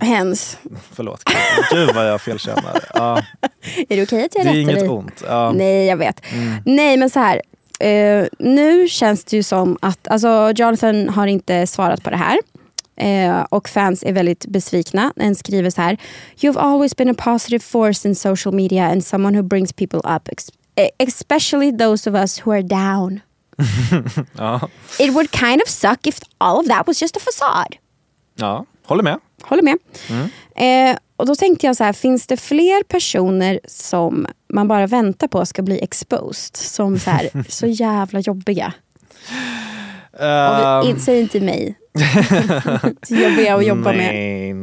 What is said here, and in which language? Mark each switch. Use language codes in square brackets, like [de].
[sv] Hens. Förlåt. Gud vad jag felkänner. Är det okej att jag rättar dig? Det är inget ont. Nej, jag vet. Mm. Nej, men så här. Nu känns det ju som att... Alltså, Jonathan har inte svarat på det här. Och fans är väldigt besvikna. En skriver så här: [en] you've always been a positive force in social media and someone who brings people up, especially those of us who are down. [sv] Ja. [en] It would kind of suck if all of that was just a facade. [sv] Ja, håller med. Håller med. Mm. Och då tänkte jag så här: finns det fler personer som man bara väntar på ska bli exposed som så här, så jävla jobbiga? Säg inte mig. Jobbar jag att jobba nej, med.